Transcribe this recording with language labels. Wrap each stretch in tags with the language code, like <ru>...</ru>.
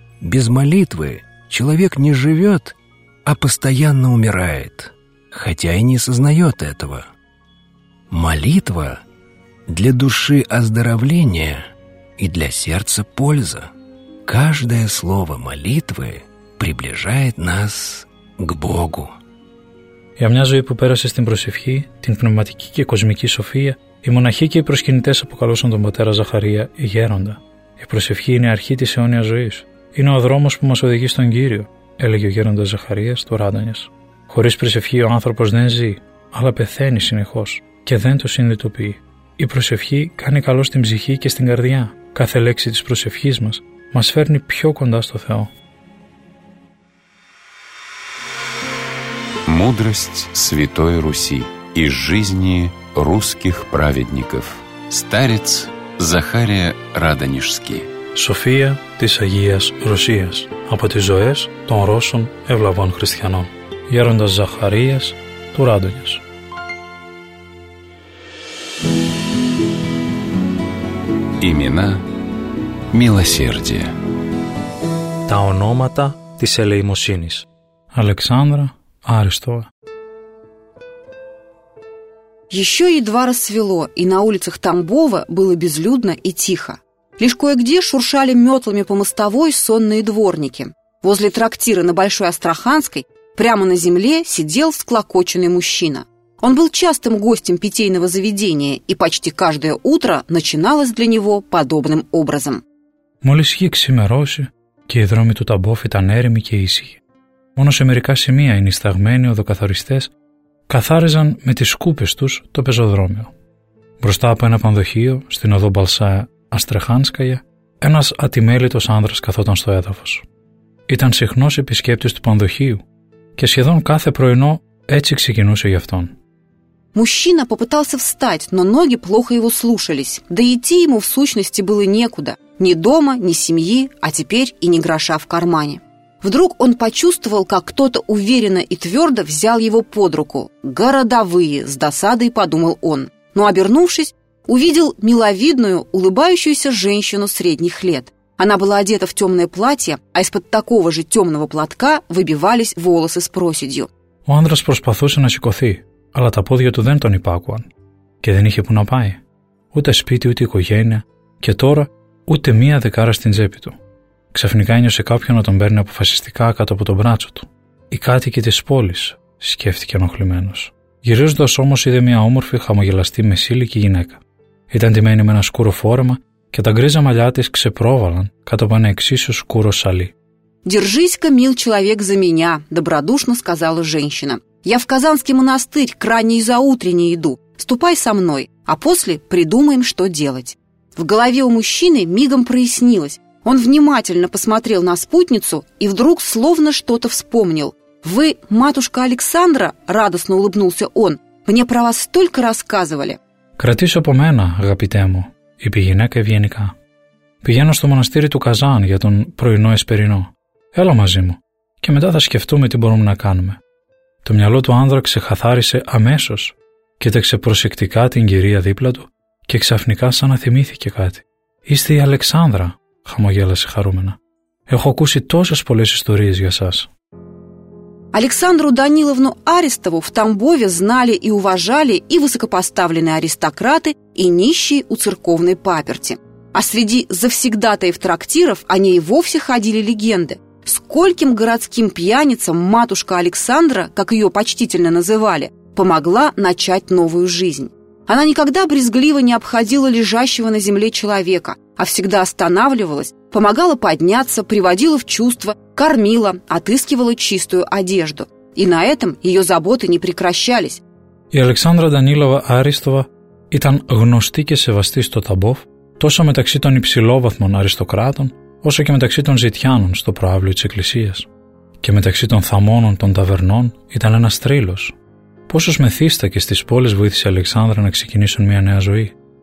<ru>«Без молитвы человек не живет, а постоянно умирает, хотя и не сознает этого». Молитва для души оздоровление и для сердца польза. Каждое слово молитвы приближает нас к Богу.</ru> <el>Για μια ζωή που πέρασε στην προσευχή, την πνευματική και κοσμική σοφία, οι μοναχοί και οι προσκυνητές αποκαλούσαν τον πατέρα Ζαχαρία γέροντα. Η προσευχή είναι η αρχή της αιώνιας ζωής. Είναι ο δρόμος που μας οδηγεί στον Κύριο, έλεγε ο γέροντας Ζαχαρίας του Ράντονιας. Χωρίς προσευχή ο άνθρωπος δεν ζει, αλλά πεθαίνει συνεχώς. Και δεν το συνειδητοποιεί. Η προσευχή κάνει καλό στην ψυχή και στην καρδιά. Κάθε λέξη της προσευχής μας μας φέρνει πιο κοντά στο Θεό.</el> <ru>Мудрость Святой Руси из жизни русских праведников. Старец Захария Радонежский.</ru> <el>София της Αγίας Ρωσίας. Από τις ζωές των Ρώσων ευλαβών χριστιανών. Γέροντας Ζαχαρίας του Ράντονιος.</el> <ru>Имена милосердия.</ru> <el>Τα ονόματα της ελεημοσύνης. Αλεξάνδρα Арестова.</el> <ru>Еще едва рассвело, и на улицах Тамбова было безлюдно и тихо. Лишь кое-где шуршали метлами по мостовой сонные дворники. Возле трактира на Большой Астраханской прямо на земле сидел склокоченный мужчина. Он был частым гостем питейного заведения, и почти каждое утро начиналось для него подобным образом.</ru> <el>Молись хи ксимероси, ки дроми ту Тамбов ήταν έρημοι και ήσυχοι. Μόνο σε μερικά σημεία οι νησταγμένοι οδοκαθαριστές καθάριζαν με τις σκούπες τους το πεζοδρόμιο. Μπροστά από ένα πανδοχείο, στην οδό Μπαλσά Αστρεχάνσκαγια, ένας ατιμέλητος άνδρας καθόταν στο έδαφος. Ήταν συχνός επισκέπτης του πανδοχείου και σχεδόν κάθε πρωινό έτσι ξεκινούσε γι' αυτόν.</el> <ru>Мужчина попытался встать, но ноги плохо его слушались. Да идти ему в сущности было некуда. Ни дома, ни семьи, а теперь и ни гроша в кармане. Вдруг он почувствовал, как кто-то уверенно и твердо взял его под руку. «Городовые!» – с досадой подумал он. Но, обернувшись, увидел миловидную, улыбающуюся женщину средних лет. Она была одета в темное платье, а из-под такого же темного платка выбивались волосы с проседью.</ru> <el>Ο άνδρας προσπαθούσε να σηκωθεί, αλλά τα πόδια του δεν τον υπάκουαν και δεν είχε που να πάει. Ούτε σπίτι, ούτε οικογένεια και τώρα ούτε μία δεκάρα στην τσέπη του. Ξαφνικά ένιωσε κάποιον να τον παίρνει αποφασιστικά κάτω από τον μπράτσο του. «Η κάτοικη της πόλης», σκέφτηκε ενοχλημένος. Γυρίζοντας όμως είδε μια όμορφη, χαμογελαστή, μεσήλικη γυναίκα. Ήταν ντυμένη με ένα σκούρο φόρεμα και τα γκρίζα μαλλιά της ξεπρόβαλαν κάτω από ένα εξίσου σκούρο σαλί.</el> <ru>«Держись-ка, мил человек, за меня», – добродушно сказала женщина. «Я в Казанский монастырь к ранней заутрене иду. Ступай со мной, а после придумаем, что делать». В голове у мужчины мигом прояснилось. Он внимательно посмотрел на спутницу и вдруг словно что-то вспомнил. «Вы, матушка Александра?» – радостно улыбнулся он. «Мне про вас столько рассказывали».</ru> <el>«Кратись по мене, агапите му», – είπε γυναίκα ευγενικά. «Пигену στο монастырь του Казан για τον πρωινό εσπερινό. Έλα μαζί μου και μετά θα σκεφτούμε τι μπορούμε να κάνουμε». Το μυαλό του άνδρα ξεχαθάρισε αμέσως. Κοίταξε προσεκτικά την κυρία δίπλα του και ξαφνικά σαν να θυμήθηκε κάτι. «Είστε η Αλεξάνδρα», χαμογέλασε χαρούμενα. «Έχω ακούσει τόσες πολλές ιστορίες για σας».</el> <ru>Александру Даниловну Арестову в Тамбове знали и уважали и высокопоставленные аристократы, и нищие у церковной паперти. А среди завсегдатаев трактиров о ней вовсе ходили легенды. Скольким городским пьяницам матушка Александра, как ее почтительно называли, помогла начать новую жизнь. Она никогда брезгливо не обходила лежащего на земле человека, а всегда останавливалась, помогала подняться, приводила в чувство, кормила, отыскивала чистую одежду. И на этом ее заботы не прекращались.</ru> <el>И Александра Данилова Арестова ήταν γνωστή και σεβαστή στο Ταμπόφ τόσο μεταξύ των υψηλόβαθμων αριστοκράτων όσο και μεταξύ των ζητιάνων στο προάβλιο της εκκλησίας. Και μεταξύ των θαμώνων των ταβερνών ήταν ένας τρύλος. Πόσους μεθύστακες στις πόλεις βοήθησε η Αλεξάνδρα να ξεκινήσουν μια νέα ζωή.</el>